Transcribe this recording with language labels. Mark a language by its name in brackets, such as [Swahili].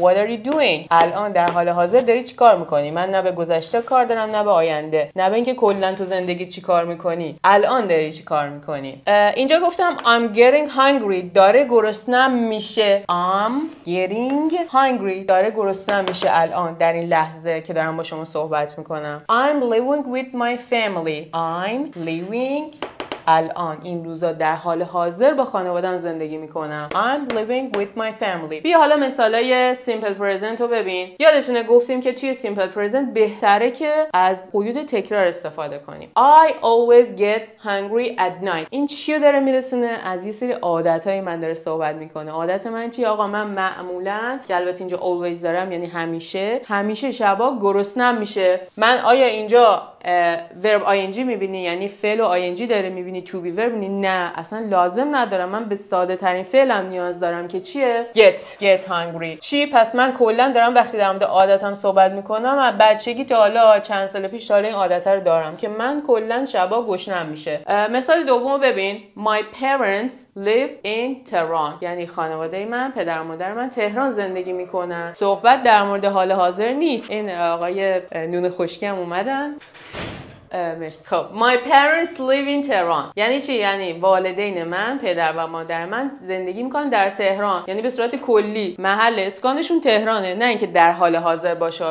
[English] What are you doing؟ [Persian] الان در حال حاضر داری چی کار میکنی؟ من نه به گذشته کار دارم نه به آینده، نه به اینکه کلا تو زندگی چی کار میکنی، الان داری چی کار میکنی؟ اینجا گفتم [English] I'm getting hungry، [Persian] داره گرسنم میشه. [English] I'm getting hungry، [Persian] داره گرسنم میشه الان در این لحظه که دارم با شما صحبت میکنم. [English] I'm living with my family. I'm living [Persian] الان این روزا در حال حاضر با خانوادم زندگی میکنم. [English] I'm living with my family. [Persian] بیا حالا مثالای simple present رو ببین. یادتونه گفتیم که توی simple present بهتره که از قیود تکرار استفاده کنیم. [English] I always get hungry at night. [Persian] این چی رو داره میرسونه؟ از یه سری عادتهای من داره صحبت میکنه. عادت من چی؟ آقا من معمولا، که البته اینجا always دارم، یعنی همیشه، همیشه شبا گرسنه‌ام میشه. من آیا اینجا verb ing میبینی؟ یعنی فعل و ing داره میبینی؟ to be verb میبینی؟ نه، اصلا لازم ندارم، من به ساده ترین فعلم نیاز دارم که چیه؟ get hungry. چی؟ پس من کلا دارم وقتی در مورد عادتم صحبت میکنم، از بچگی تا حالا چند سال پیش حالا این عادت رو دارم که من کلا شبا گشنم میشه. مثال دومو ببین. [English] My parents live in Tehran. [Persian] یعنی خانواده من، پدر و مادر من تهران زندگی میکنن. صحبت در مورد حال حاضر نیست. این آقای نون خشکی هم اومدن. مرسی. خب [English] My parents live in Tehran [Persian] یعنی چی؟ یعنی والدین من، پدر و مادر من زندگی میکنن در تهران، یعنی به صورت کلی محل اسکانشون تهرانه، نه اینکه در حال حاضر باشه.